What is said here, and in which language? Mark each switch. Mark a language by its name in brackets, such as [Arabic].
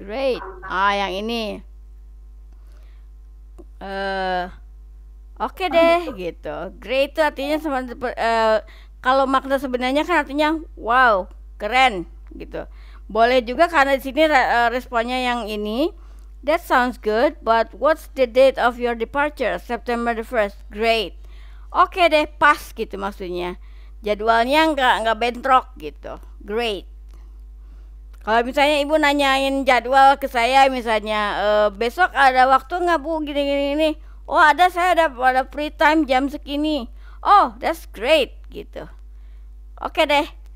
[Indonesian] Great. Ah yang ini. Okay deh gitu. Great itu artinya sama kalau makna sebenarnya kan artinya wow, keren gitu. Boleh juga karena di sini responnya yang ini. [English] That sounds good, but what's the date of your departure? September the 1st. Great. Okay deh, pas gitu maksudnya. [Indonesian] Jadwalnya enggak bentrok gitu. Great. Kalau misalnya Ibu nanyain jadwal ke saya misalnya, besok ada waktu enggak Bu gini-gini ini? Oh, ada, saya ada free time jam segini. [English] Oh, that's great [Indonesian] gitu. Okay deh.